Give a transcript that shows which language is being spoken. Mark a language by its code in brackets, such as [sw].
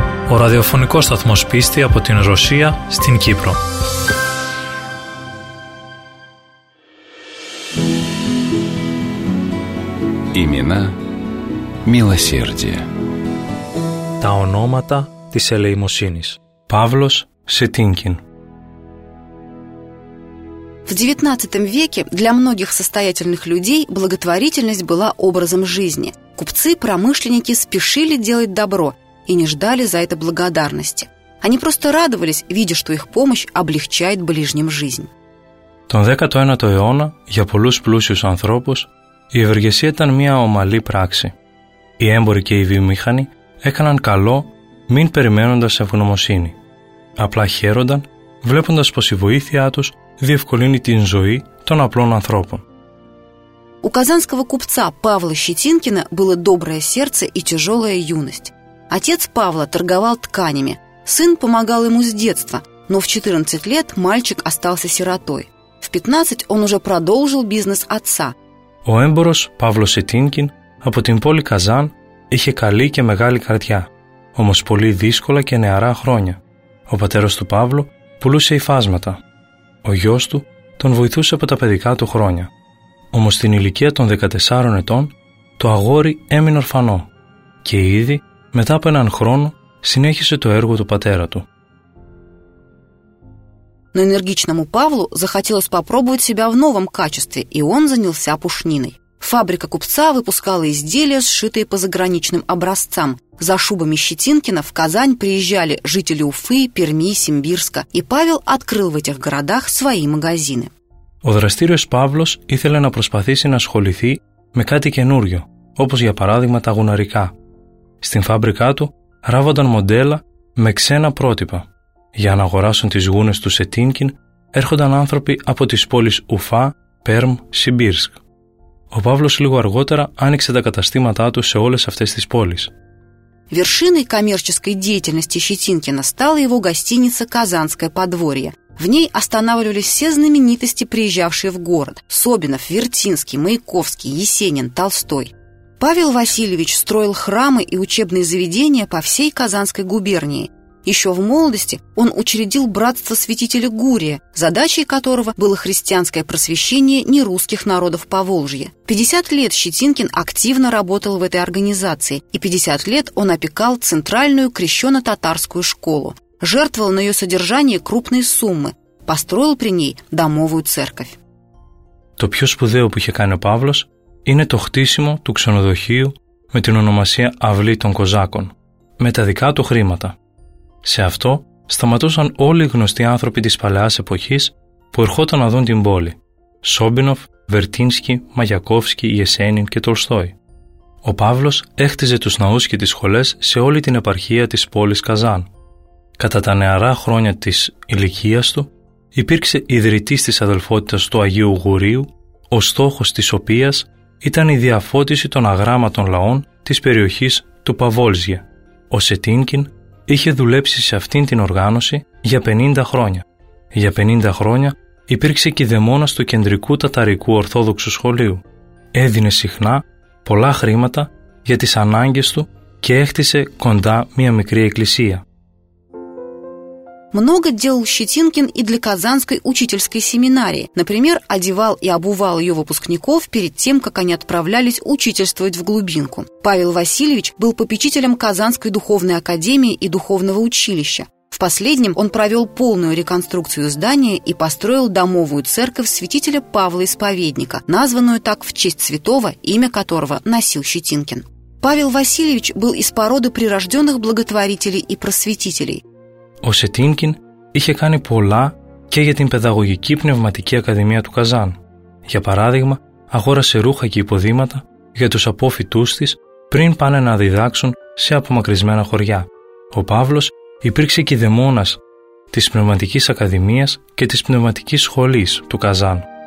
[el] Ο ραδιοφωνικός σταθμός πίστη από την Ρωσία στην Κύπρο. [ru] Имена милосердия. [el] Τα ονόματα της ελεημοσύνης. [ru] Павлос Сетинкин. В XIX веке для многих состоятельных людей благотворительность была образом жизни. Купцы, промышленники спешили делать добро и не ждали за это благодарности. Они просто радовались, видя, что их помощь облегчает ближним жизнь. [el] Τον 19ο αιώνα, για πολλούς πλούσιους ανθρώπους, η ευεργεσία ήταν μια ομαλή πράξη. Οι έμποροι και οι βιομηχανοί έκαναν καλό, μην περιμένοντας ευγνωμοσύνη. Απλά χαίρονταν, βλέποντας πως η βοήθειά τους διευκολύνει την ζωή των απλών ανθρώπων. [ru] У казанского купца Павла Щетинкина было доброе сердце и тяжелая юность. Отец Павла торговал тканями, сын помогал ему с детства, но в 14 лет мальчик остался сиротой. В 15 он уже продолжил бизнес отца. [el] Ο έμπορος Παύλος Σετίνκιν από την πόλη Καζάν είχε καλή και μεγάλη καρδιά, όμως πολύ δύσκολα και νεαρά χρόνια. Ο πατέρας του Παύλου πουλούσε υφάσματα. Ο γιος του τον βοηθούσε από τα παιδικά του χρόνια. Όμως στην ηλικία των 14 ετών το αγόρι έμεινε ορφανό και ήδη μετά από έναν χρόνο συνέχισε το έργο του πατέρα του. [ru] Но энергичному Павлу захотелось попробовать себя в новом качестве, и он занялся пушниной. Фабрика купца выпускала изделия, сшитые по заграничным образцам. За шубами Щетинкина в Казань приезжали жители Уфы, Перми, Симбирска, и Павел открыл в этих городах свои магазины. [el] Ο δραστήριος Παύλος ήθελε να προσπαθήσει να ασχοληθεί με κάτι καινούριο, όπως για παράδειγμα τα γουναρικά. Στην φάμπρικά του ράβονταν μοντέλα με ξένα πρότυπα. Για να αγοράσουν τις γούνες του Σετίνκιν έρχονταν άνθρωποι από τις πόλεις Ουφά, Πέρμ, Σιμπίρσκ. Ο Παύλος λίγο αργότερα άνοιξε τα καταστήματά του σε όλες αυτές τις πόλεις. [ru] Вершиной коммерческой деятельности Щетинкина стала его гостиница «Казанское подворье». В ней останавливались все знаменитости, приезжавшие в город – Собинов, Вертинский, Маяковский, Есенин, Толстой. Павел Васильевич строил храмы и учебные заведения по всей Казанской губернии. Еще в молодости он учредил братство святителя Гурия, задачей которого было христианское просвещение нерусских народов Поволжья. 50 лет Щетинкин активно работал в этой организации, и 50 лет он опекал центральную крещено-татарскую школу. Жертвовал на ее содержание крупные суммы, построил при ней домовую церковь. [el] То πιο σπουδαίο που είχε κάνει ο Παύλος είναι το χτίσιμο του ξενοδοχείου με την ονομασία Αυλή των Κοζάκων, με τα δικά του χρήματα. Σε αυτό σταματούσαν όλοι οι γνωστοί άνθρωποι της παλαιάς εποχής που ερχόταν να δουν την πόλη. Σόμπινοφ, Βερτίνσκι, Μαγιακόφσκι, Ιεσένιν και Τολστόι. Ο Παύλος έχτιζε τους ναούς και τις σχολές σε όλη την επαρχία της πόλης Καζάν. Κατά τα νεαρά χρόνια της ηλικίας του, υπήρξε ιδρυτής της αδελφότητας του Αγίου Γουρίου, ο στόχος της οποίας ήταν η διαφώτιση των αγράμματων λαών της περιοχής του Παβόλζια. Ο Σετίνκιν είχε δουλέψει σε αυτήν την οργάνωση για 50 χρόνια. Για 50 χρόνια υπήρξε κηδεμόνας του Κεντρικού Ταταρικού Ορθόδοξου Σχολείου. Έδινε συχνά πολλά χρήματα για τις ανάγκες του και έχτισε κοντά μία μικρή εκκλησία. [ru] Много делал Щетинкин и для Казанской учительской семинарии. Например, одевал и обувал ее выпускников перед тем, как они отправлялись учительствовать в глубинку. Павел Васильевич был попечителем Казанской духовной академии и духовного училища. В последнем он провел полную реконструкцию здания и построил домовую церковь святителя Павла Исповедника, названную так в честь святого, имя которого носил Щетинкин. Павел Васильевич был из породы прирожденных благотворителей и просветителей. [el] Ο Σετίνκιν είχε κάνει πολλά και για την Παιδαγωγική Πνευματική Ακαδημία του Καζάν. Για παράδειγμα, αγόρασε ρούχα και υποδήματα για τους αποφοιτούς της πριν πάνε να διδάξουν σε απομακρυσμένα χωριά. Ο Παύλος υπήρξε κηδεμόνας της Πνευματικής Ακαδημίας και της Πνευματικής Σχολής του Καζάν.